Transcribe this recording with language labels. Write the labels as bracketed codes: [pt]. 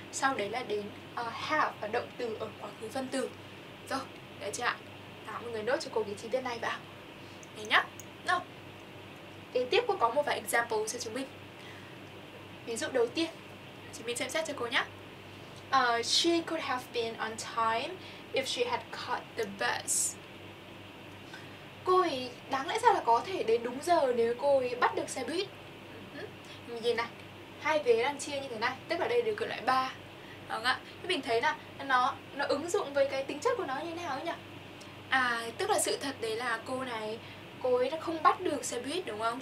[vi] Sau đấy là đến have và động từ ở quá khứ phân từ. Rồi, đấy chưa ạ? Đó, mọi người nốt cho cô cái chi tiết này vào. Đấy nhá. Rồi. Kế tiếp cô có một vài example cho chúng mình. Ví dụ đầu tiên, chúng mình xem xét cho cô nhá. [en] She could have been on time if she had caught the bus. [vi] Cô ấy đáng lẽ ra là có thể đến đúng giờ nếu cô ấy bắt được xe buýt. Mình nhìn này, hai vế đang chia như thế này, tức là đây điều kiện loại 3, đúng không ạ? Mình thấy là nó ứng dụng với cái tính chất của nó như thế nào ấy nhỉ? À, tức là sự thật đấy là cô ấy đã không bắt được xe buýt, đúng không?